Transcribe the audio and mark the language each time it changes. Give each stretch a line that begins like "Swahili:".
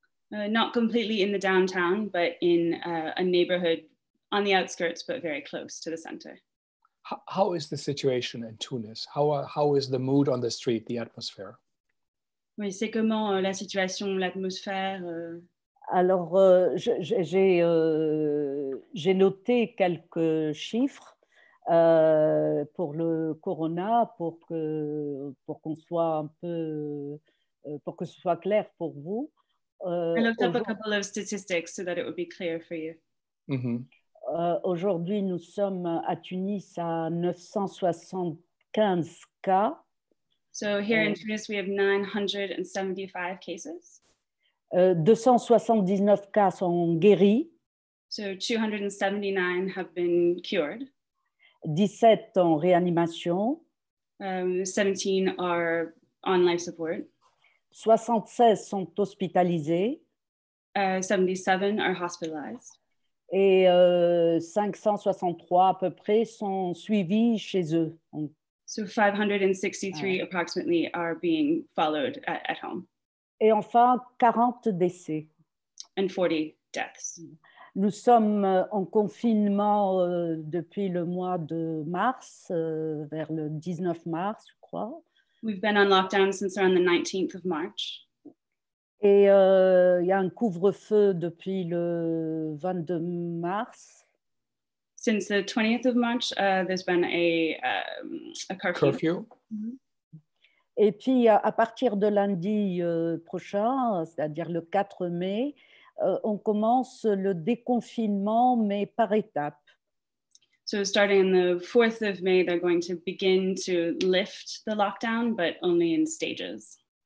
English: Not completely in the downtown, but in a neighborhood on the outskirts, but very close to the center. How is the situation in Tunis? How is the mood on the street, the atmosphere?
French: Oui, c'est comment la situation, l'atmosphère? Alors, j'ai noté quelques chiffres pour le corona, pour qu'on soit un peu, pour que ce soit clair pour vous.
English: I looked up a couple of statistics so that it would be clear for you. Mm-hmm.
French: Aujourd'hui, nous sommes à Tunis à 975 cas.
English: So here in Tunis, we have 975 cases.
French: 279 cas sont guéris.
English: So 279 have been cured.
French: 17 en réanimation.
English: 17 are on life support.
French: 76 sont hospitalisés.
English: 77 are hospitalized.
French: Et 563 à peu près sont suivis chez eux.
English: So 563 approximately are being followed at home.
French: Et enfin, 40 décès.
English: And 40 deaths.
French: Nous sommes en confinement depuis le mois de mars, vers le 19 mars, je crois.
English: We've been on lockdown since around the 19th of March.
French: Et il y a un couvre-feu depuis le 22 mars.
English: Since the 20th of March, there's been a curfew. Curfew. Mm-hmm.
French: Et puis, à partir de lundi prochain, c'est-à-dire le 4 mai, on commence le déconfinement, mais par étapes.
English: So starting on the 4th of May, they're going to begin to lift the lockdown, but only in stages.